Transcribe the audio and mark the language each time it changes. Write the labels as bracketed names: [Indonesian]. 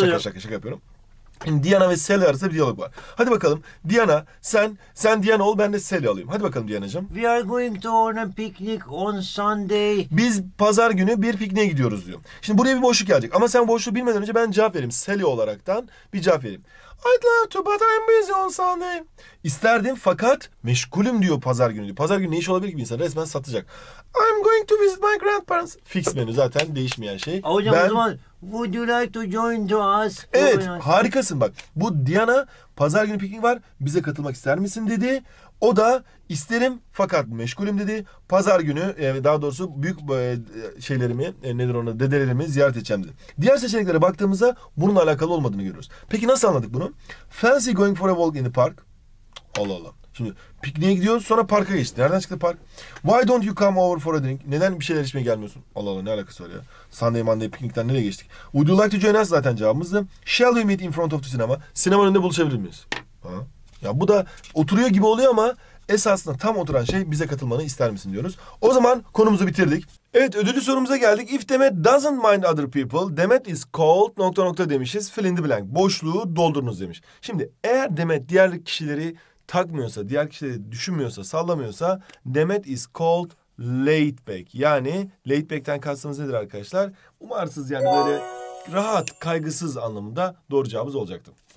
[Turkish] Şaka, şaka, şaka yapıyorum. Şimdi Diana ve Sally arasında bir diyalog var. Hadi bakalım. Diana, sen Diana ol, ben de Sally alayım. Hadi bakalım Diana'cığım. [English] We are going to on a picnic on Sunday. [Turkish] Biz pazar günü bir pikniğe gidiyoruz diyor. Şimdi buraya bir boşluk gelecek. Ama sen boşluğu bilmeden önce ben cevap vereyim. Sally olaraktan bir cevap vereyim. [English] I'd love to, but I'm busy on Sunday. [Turkish] İsterdim fakat meşgulüm diyor pazar günü. Pazar günü ne iş olabilir ki bir insan? Resmen satacak. [English] I'm going to visit my grandparents. [Turkish] Fix menü zaten, değişmeyen şey. Hocam ben... o zaman [English] would you like to join to us? [Turkish] Evet, harikasın bak. Bu Diana pazar günü piknik var. Bize katılmak ister misin dedi. O da isterim fakat meşgulüm dedi. Pazar günü daha doğrusu büyük şeylerimi nedir ona dedelerimi ziyaret edeceğim dedi. Diğer seçeneklere baktığımızda bununla alakalı olmadığını görüyoruz. Peki nasıl anladık bunu? [English] Fancy going for a walk in the park. [Turkish] Allah Allah. Şimdi pikniğe gidiyoruz sonra parka geçti. Nereden çıktı park? [English] Why don't you come over for a drink? [Turkish] Neden bir şeyler içmeye gelmiyorsun? Allah Allah ne alakası var ya. Sunday Monday piknikten nereye geçtik? [English] Would you like to join us [Turkish] zaten cevabımızdı. [English] Shall we meet in front of the cinema? [Turkish] Sinemanın önünde buluşabilir miyiz? Ha? Ya bu da oturuyor gibi oluyor ama esasında tam oturan şey bize katılmanı ister misin diyoruz. O zaman konumuzu bitirdik. Evet ödüllü sorumuza geldik. [English] If Demet doesn't mind other people, Demet is cold... [Turkish] nokta nokta demişiz. [English] Fill in the blank. [Turkish] Boşluğu doldurunuz demiş. Şimdi eğer Demet diğer kişileri takmıyorsa, diğer kişileri düşünmüyorsa, sallamıyorsa Demet [English] is cold laid back. [Turkish] Yani laid back'ten kastımız nedir arkadaşlar? Umarsız yani böyle rahat, kaygısız anlamında doğru cevabımız olacaktı.